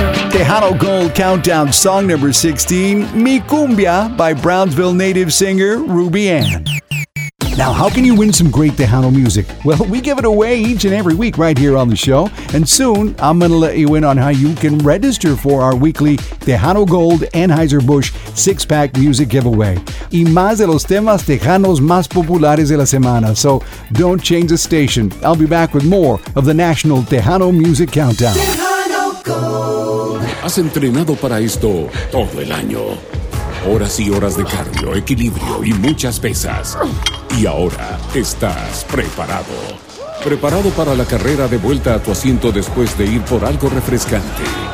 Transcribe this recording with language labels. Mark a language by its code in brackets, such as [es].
[en] Tejano Gold Countdown, song number 16, Mi Cumbia by Brownsville native singer Ruby Ann. Now, how can you win some great Tejano music? Well, we give it away each and every week right here on the show. And soon, I'm going to let you in on how you can register for our weekly Tejano Gold Anheuser-Busch six-pack music giveaway. [es] Y más de los temas Tejanos más populares de la semana. [en] So, don't change the station. I'll be back with more of the National Tejano Music Countdown. Tejano Gold. [es] Has entrenado para esto todo el año. Horas y horas de cardio, equilibrio y muchas pesas. Y ahora estás preparado. Preparado para la carrera de vuelta a tu asiento después de ir por algo refrescante.